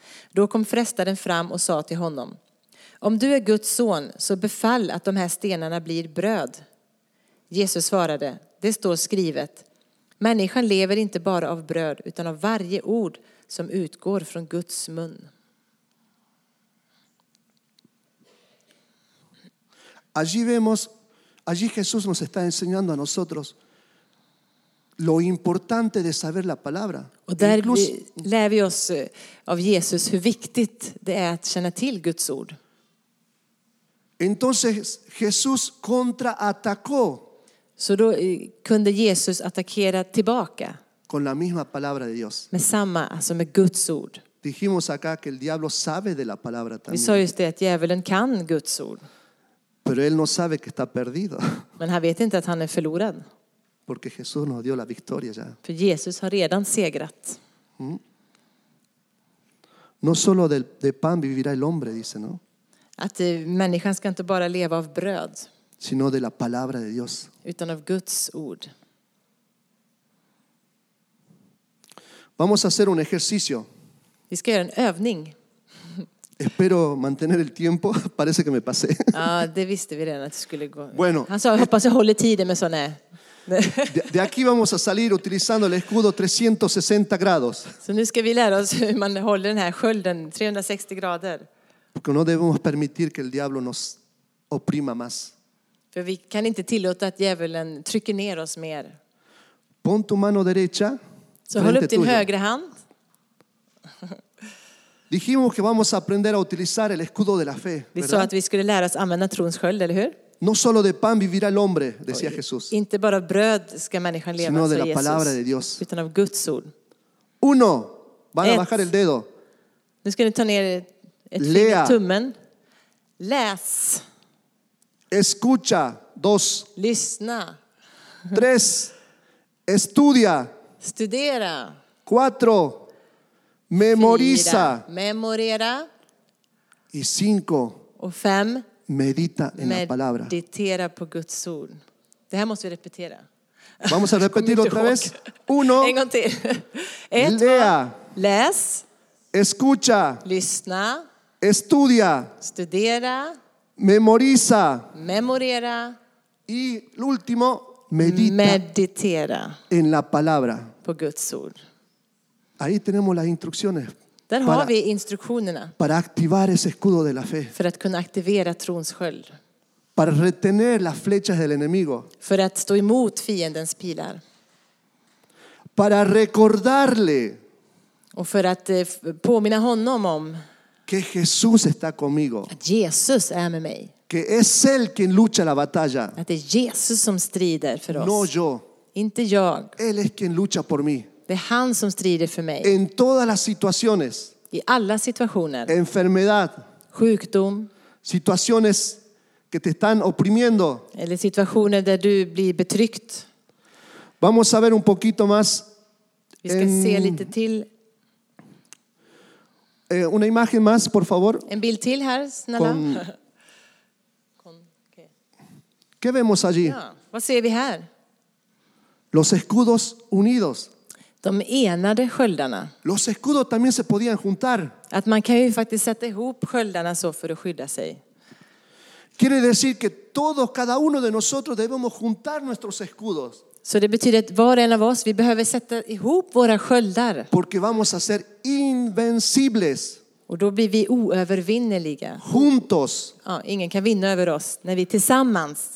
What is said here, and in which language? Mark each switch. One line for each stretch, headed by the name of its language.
Swedish: Då kom frestaren fram och sa till honom: om du är Guds son, så befall att de här stenarna blir bröd. Jesus svarade: det står skrivet, människan lever inte bara av bröd utan av varje ord som utgår från Guds mun.
Spanish: Allí vemos, allí Jesús nos está enseñando a nosotros lo importante de saber la palabra.
Swedish: Och där lär vi oss av Jesus hur viktigt det är att känna till Guds ord.
Spanish: Entonces Jesús contraatacó.
Swedish: Så då kunde Jesus attackera tillbaka.
Spanish: Con la misma palabra de Dios.
Swedish: Med samma, alltså med Guds ord.
Spanish: Dijimos acá que el diablo sabe de la palabra también.
Swedish: Vi sa just det, att djävulen kan Guds ord.
Spanish: Pero él no sabe que está perdido.
Swedish: Men han vet inte att han är förlorad.
Spanish: Porque Jesús nos dio la victoria ya.
Swedish: För Jesus har redan segrat. Mm.
Spanish: No solo de pan vivirá el hombre, dice, ¿no?
Swedish: Att människan ska inte bara leva av bröd.
Spanish: Sino de la palabra de Dios.
Swedish: Utan av Guds ord.
Spanish: Vamos a hacer un ejercicio.
Swedish: Vi ska göra en övning.
Spanish: Espero mantener el tiempo. Parece que me pasé.
Swedish: Ja, det visste vi redan att det skulle gå.
Spanish: Bueno,
Swedish: han sa, hoppas jag håller tiden, men så nej.
Spanish: De aquí vamos a salir utilizando el escudo 360 grados.
Swedish: Så nu ska vi lära oss hur man håller den här skölden 360 grader.
Spanish: Porque no debemos permitir que el diablo nos oprima más.
Swedish: För vi kan inte tillåta att djävulen trycker ner oss mer.
Spanish: Pon tu mano derecha.
Swedish: Så håll upp din högra hand.
Spanish: Dijimos que vamos a aprender a utilizar el escudo de la fe.
Swedish: Vi sa att vi skulle lära oss använda trons sköld, eller hur?
Spanish: No solo de pan vivirá el hombre, decía Jesús.
Swedish: Inte bara bröd ska människan leva,
Spanish: sino de la
Swedish: Jesus,
Spanish: palabra de Dios.
Swedish: Utan av Guds ord.
Spanish: Uno. Van a bajar el dedo.
Swedish: Nu ska ni ta ner ett tummen. Läs.
Spanish: Escucha. Dos.
Swedish: Lyssna.
Spanish: Tres. Estudia.
Swedish: Studera.
Spanish: Cuatro. Memoriza.
Swedish: Fyra. Memorera.
Spanish: Y cinco.
Swedish: Och fem.
Spanish: Medita en la palabra.
Swedish: Meditera på Guds ord. Det här måste vi repetera.
Spanish: Vamos a repetir otra vez. Uno.
Swedish: En gång till. Ett,
Spanish: lea.
Swedish: Läs.
Spanish: Escucha.
Swedish: Lyssna.
Spanish: Estudia.
Swedish: Studera.
Spanish: Memoriza.
Swedish: Memorera.
Spanish: Y el último, medita.
Swedish: Meditera.
Spanish: En la palabra.
Swedish: På Guds ord.
Spanish: Ahí tenemos las instrucciones.
Swedish: Där har vi instruktionerna.
Spanish: Para activar ese escudo de la fe.
Swedish: För att kunna aktivera trons sköld.
Spanish: Para retener las flechas del enemigo.
Swedish: För att stå emot fiendens pilar.
Spanish: Para recordarle.
Swedish: Och för att påminna honom om.
Spanish: Que Jesús está conmigo.
Swedish: Att Jesus är med mig.
Spanish: Que es él quien lucha la batalla.
Swedish: Att det är Jesus som strider för oss.
Spanish: No yo.
Swedish: Inte jag.
Spanish: Él es quien lucha por mí.
Swedish: Det är han som strider för mig.
Spanish: En todas las situaciones.
Swedish: I alla situationer.
Spanish: Enfermedad.
Swedish: Sjukdom.
Spanish: Situaciones que te están oprimiendo.
Swedish: Eller situationer där du blir betryckt.
Spanish: Vamos a ver un poquito más.
Swedish: Vi ska se lite till.
Spanish: Una imagen más, por favor.
Swedish: En bild till här, snälla.
Spanish: ¿Qué vemos allí?
Swedish: Ja, vad ser vi här?
Spanish: Los escudos unidos.
Swedish: De enade sköldarna.
Spanish: Los escudos también se podían juntar.
Swedish: Att man kan ju faktiskt sätta ihop sköldarna så för att skydda sig.
Spanish: Quiere decir que todos, cada uno de nosotros debemos juntar nuestros escudos.
Swedish: Så det betyder att var en av oss, vi behöver sätta ihop våra sköldar.
Spanish: Porque vamos a ser invencibles.
Swedish: Och då blir vi oövervinneliga.
Spanish: Juntos.
Swedish: Ja, ingen kan vinna över oss när vi tillsammans.